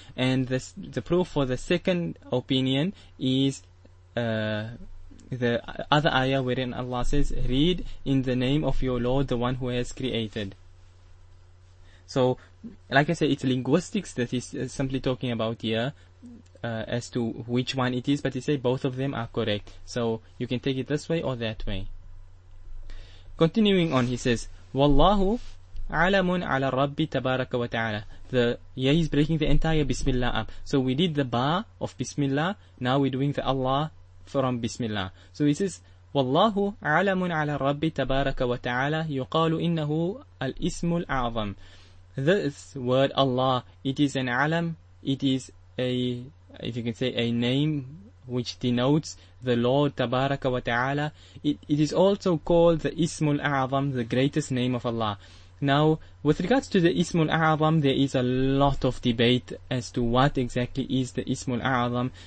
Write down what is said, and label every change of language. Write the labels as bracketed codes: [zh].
[en] And the proof for the second opinion is the other ayah wherein Allah says, read in the name of your Lord, the one who has created. So, like I said, it's linguistics that he's simply talking about here as to which one it is, but he said both of them are correct. So, you can take it this way or that way. Continuing on, he says, [ar] وَاللَّهُ عَلَمٌ عَلَى الرَّبِّ تَبَارَكَ وَتَعَالَى. [en] Yeah, he's breaking the entire Bismillah up. So, we did the Ba of Bismillah, now we're doing the Allah from Bismillah. So, he says, [ar] والله عالم على الرب تبارك وتعالى يقال إنه الاسم الأعظم. [en] This word Allah, it is an alam, it is a name which denotes the Lord [ar] تبارك وتعالى. [en] It is also called the اسم الأعظم, the greatest name of Allah. Now, with regards to the اسم الأعظم, there is a lot of debate as to what exactly is the اسم الأعظم.